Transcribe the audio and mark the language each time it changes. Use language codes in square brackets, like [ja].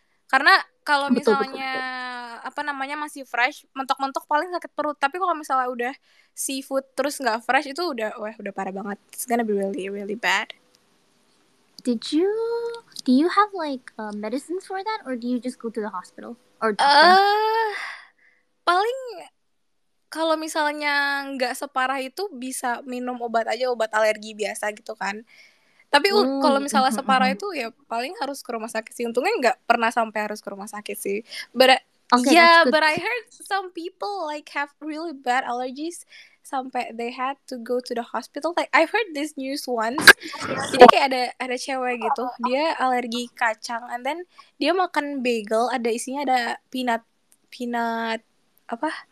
[id] Karena kalau misalnya masih fresh, mentok-mentok paling sakit perut. Tapi kalau misalnya udah seafood terus nggak fresh, itu udah parah banget. [en] It's gonna be really, really bad. Do you have like medicines for that, or do you just go to the hospital or doctor? [id] Paling kalau misalnya nggak separah itu bisa minum obat aja, obat alergi biasa gitu kan. Tapi kalau misalnya separah itu ya paling harus ke rumah sakit sih. Untungnya nggak pernah sampai harus ke rumah sakit sih. [en] Okay, Yeah, that's good. but I heard some people like have really bad allergies sampai they had to go to the hospital. Like I heard this news once. [id] Jadi kayak ada cewek gitu, dia alergi kacang [en] and then [id] dia makan bagel ada isinya ada peanut peanut apa?